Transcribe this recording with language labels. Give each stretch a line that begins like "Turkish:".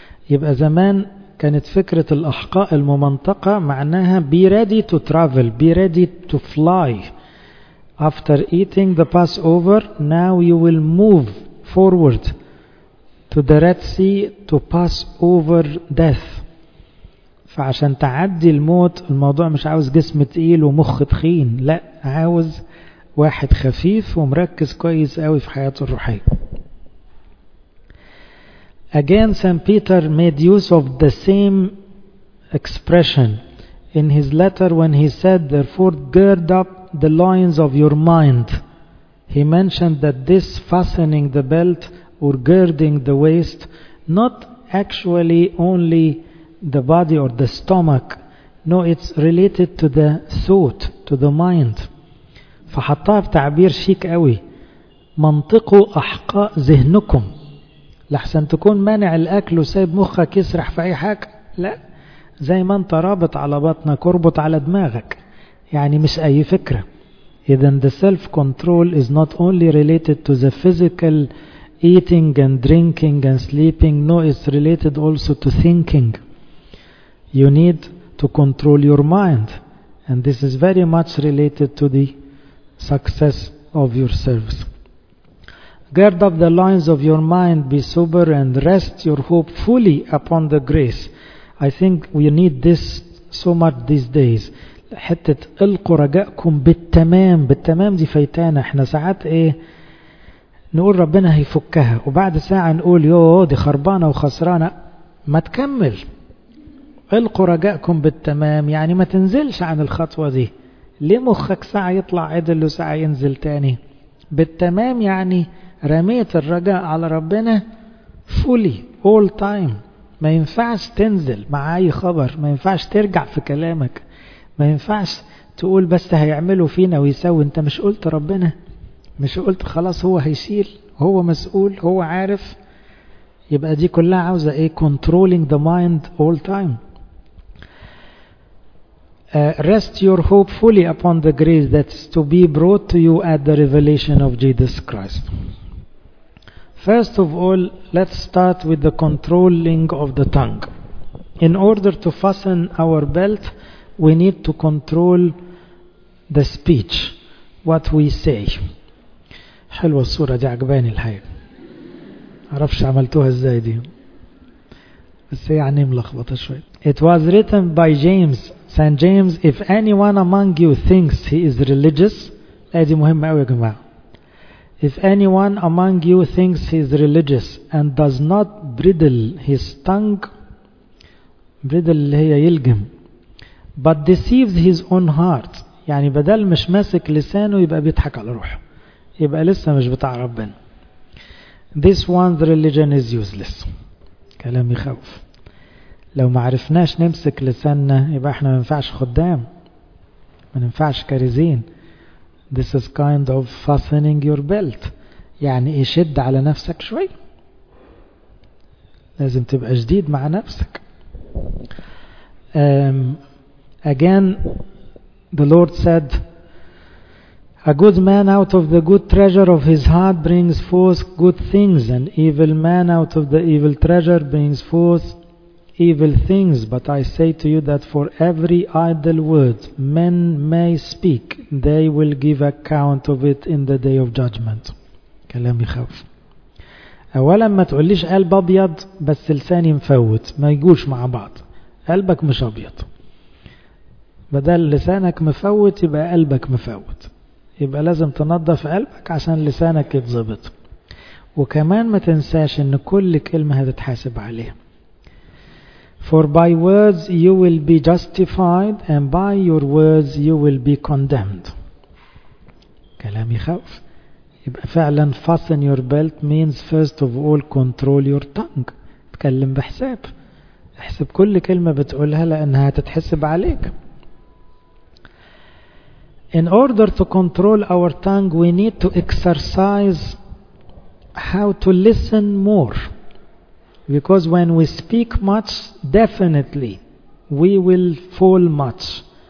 Arabic: يبقى زمان كانت فكرة الأحقاء الممنطقة معناها
English: be ready to travel, be ready to fly. After eating the Passover, now you will move forward to the Red Sea to pass over death.
Arabic: فعشان تعدي الموت الموضوع مش عاوز جسم تقيل ومخ تخين, لا, عاوز واحد خفيف ومركز كويس قوي في حياته الروحية.
English: Again, St. Peter made use of the same expression in his letter when he said, therefore gird up the loins of your mind. He mentioned that this fastening the belt or girding the waist, not actually only the body or the stomach, no, it's related to the thought, to the mind.
Arabic: فحطها في تعبير شيك قوي، منطقوا أحقاء ذهنكم. لحسن تكون مانع الأكل وسايب مخك يسرح في أي حاجة، لا، زي ما أنت رابط على بطنك وربط على دماغك، يعني مش أي فكرة.
English: إذن the self-control is not only related to the physical eating and drinking and sleeping, no, it's related also to thinking. You need to control your mind, and this is very much related to the success of your service. Gird up the loins of your mind, be sober, and rest your hope fully upon the grace. I think we need this so much these days.
Arabic: حتة القوا رجاءكم بالتمام، بالتمام دي فايتانا. احنا ساعات ايه نقول ربنا هيفكها، وبعد ساعة نقول يوه دي خربانة وخسرانة. ما تكمل، القوا رجاءكم بالتمام، يعني ما تنزلش عن الخطوة دي. ليه مخك ساعة يطلع عدل وساعة ينزل تاني؟ بالتمام يعني رميت الرجاء على ربنا
English: fully all time.
Arabic: ما ينفعش تنزل مع اي خبر، ما ينفعش ترجع في كلامك، ما ينفعش تقول بس هيعمله فينا ويسوي. انت مش قلت ربنا؟ مش قلت خلاص هو هيشيل، هو مسؤول، هو عارف؟ يبقى دي كلها عاوزة ايه؟
English: controlling the mind all time. Rest your hope fully upon the grace that's to be brought to you at the revelation of Jesus Christ. First of all, let's start with the controlling of the tongue. In order to fasten our belt, we need to control the speech, what we say.
Arabic: حلوة الصورة دي، عجباني الحياة، عرفش عملتوها ازاي دي، بس يعني ملخبطة شوية.
English: It was written by James, Saint James, if anyone among you thinks he is religious.
Arabic: دي مهمة قوي يا جماعة.
English: If anyone among you thinks he is religious and does not bridle his tongue, bridle
Arabic: اللي هي يلجم،
English: but deceives his own heart،
Arabic: يعني بدل مش ماسك لسانه يبقى بيضحك على روحه، يبقى لسه مش بتاع ربنا،
English: this one's religion is useless.
Arabic: كلام يخوف. لو ما عرفناش نمسك لساننا يبقى احنا ما ينفعش خدام، ما ينفعش كاريزين.
English: This is kind of fastening your belt.
Arabic: يعني ايه؟ شد على نفسك شوي، لازم تبقى جديد مع نفسك.
English: Again, the Lord said, a good man out of the good treasure of his heart brings forth good things, an evil man out of the evil treasure brings forth evil things. But I say to you that for every idle word men may speak, they will give account of it in the day of judgment.
Arabic: كلام يخوف. أولا ما تقوليش قلب أبيض بس لساني مفوت، ما يجوش مع بعض. قلبك مش أبيض، بدل لسانك مفوت يبقى قلبك مفوت، يبقى لازم تنظف قلبك عشان لسانك يتظبط. وكمان ما تنساش ان كل كلمة هتتحاسب عليها.
English: For by words you will be justified and by your words you will be condemned.
Arabic: كلام يخوف. يبقى فعلا
English: fasten your belt means first of all control your tongue.
Arabic: تكلم بحساب، احسب كل كلمة بتقولها لانها هتتحسب عليك.
English: In order to control our tongue, we need to exercise how to listen more. Because when we speak much, definitely we will fall much.